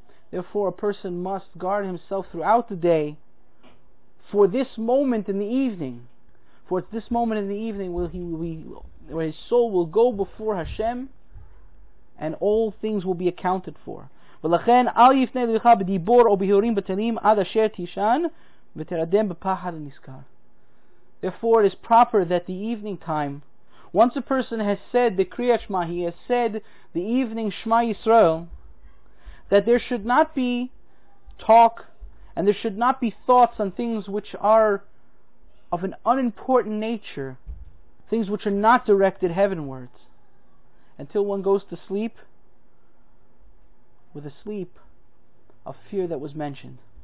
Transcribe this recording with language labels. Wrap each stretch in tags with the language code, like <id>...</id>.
<en>Therefore, a person must guard himself throughout the day for this moment in the evening. For it's this moment in the evening where his soul will go before Hashem and all things will be accounted for.</en> <he>ולכן אל יפנה לך בדיבור או בהורים בטלים עד אשר תישן ותרדם בפחד הנזכר.</he> <en>Therefore it is proper that the evening time, once a person has said the Kriyat Shema, he has said the evening Shema Yisrael, that there should not be talk and there should not be thoughts on things which are of an unimportant nature, things which are not directed heavenwards, until one goes to sleep with a sleep of fear that was mentioned.</en>